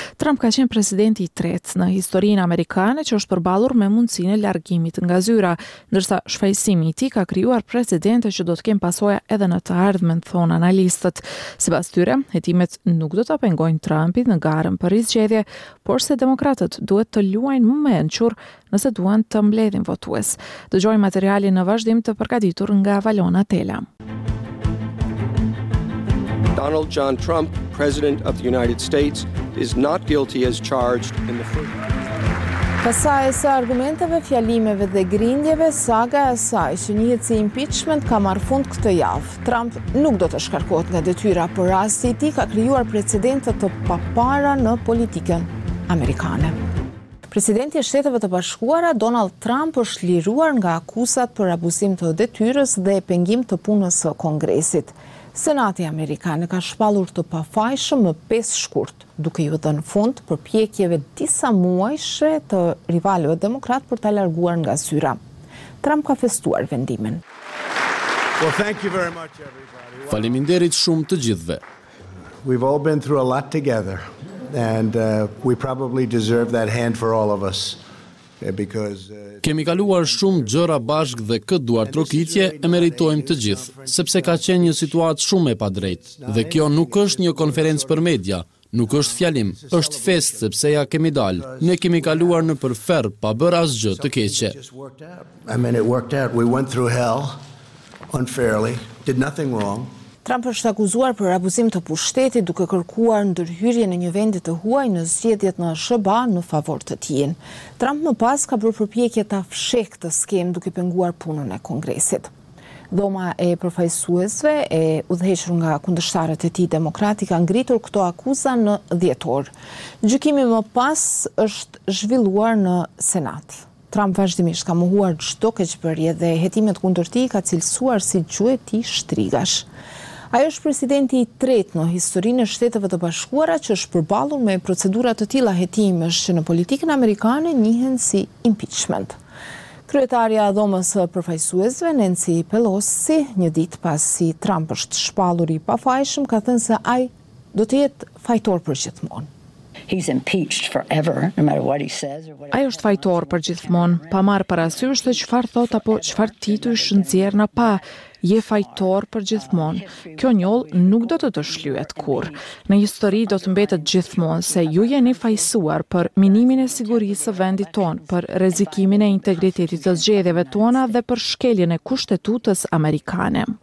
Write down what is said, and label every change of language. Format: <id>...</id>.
<sq>Trump ka qenë presidenti i tretë në historinë amerikane që është përballur me mundësinë e largimit nga zyra, ndërsa shfaqësimi i tij ka krijuar precedente që do të kenë pasoja edhe në të ardhmen, thonë analistët. Sipas tyre, hetimet nuk do ta pengojnë Trumpin në garën për rizgjedhje, por se demokratët duhet të luajnë më me enqur nëse duan të mbledhin votues. Dëgjojmë materialin në vazhdim të përgatitur nga Valona Tela.</sq> <en>Donald John Trump, President of the United States, is not guilty as charged in the first...</en> <sq>Pasaj sa argumenteve, fjalimeve dhe grindjeve, saga e saj që njihet si impeachment ka marrë fund këtë javë. Trump nuk do të shkarkohet nga detyra, por rasti i tij ka krijuar precedente të papara në politikën amerikane. Presidenti i Shteteve të Bashkuara Donald Trump është liruar nga akuzat për abuzim të detyrës dhe pengim të punës së Kongresit. Senati Amerikan ka shpallur të pafajshëm më 5 shkurt, duke ju dhënë fund përpjekjeve disa muajshe të rivalëve demokrat për ta larguar nga zyra. Trump ka festuar vendimin.</sq> <en>Well, thank you very much everybody.</en> <sq>Faleminderit shumë të gjithëve.</sq> <en>We've all been through a lot together. And we probably deserve that hand for all of us because</en> <sq>kemi kaluar shumë gjëra bashkë dhe këtë duartrokitje e meritojmë të gjithë, sepse ka qenë një situatë shumë e padrejtë dhe kjo nuk është një konferencë për media, nuk është fjalim, është fest sepse ja kemi dalë. Ne kemi kaluar nëpër ferr pa bërë asgjë të keqe.</sq> <en>I mean it worked out. We went through hell unfairly. Did nothing wrong.</en> <sq>Trump është akuzuar për abuzim të pushtetit duke kërkuar ndërhyrje në një vend të huaj në zgjedhjet në SBA në favor të tij. Trump më pas ka bërë përpjekje ta fshehë këtë skem duke penguar punën e Kongresit. Dhoma e përfaqësuesve e udhëhequr nga kundërshtarët e tij demokratik kanë ngritur këto akuza në dhjetor. Gjykimi më pas është zhvilluar në Senat. Trump vazhdimisht ka mohuar çdo keqbërje dhe hetimet kundër tij ka cilësuar si gjueti shtrigash. Ai është presidenti i tretë në historinë e Shteteve të Bashkuara që është përballur me procedura të tilla hetimesh që në politikën amerikane njihen si impeachment. Kryetaria e Dhomës së Përfaqësuesve Nancy Pelosi, një ditë pasi Trump është shpallur i pafajshëm, ka thënë se ai do të jetë fajtor për gjithmonë.</sq> <en>He's impeached forever, no matter what he says or what.</en> <sq>Ai është fajtor për gjithmonë, pa marr parasysh se çfarë thot apo çfarë titull shënzier na pa. Je fajtor për gjithmonë. Kjo njollë nuk do të të shlyhet kur. Në histori do të mbetet gjithmonë se ju jeni fajsuar për minimin e sigurisë së vendit tonë, për rrezikimin e integritetit të zgjedhjeve tona dhe për shkeljen e kushtetutës amerikane.</sq>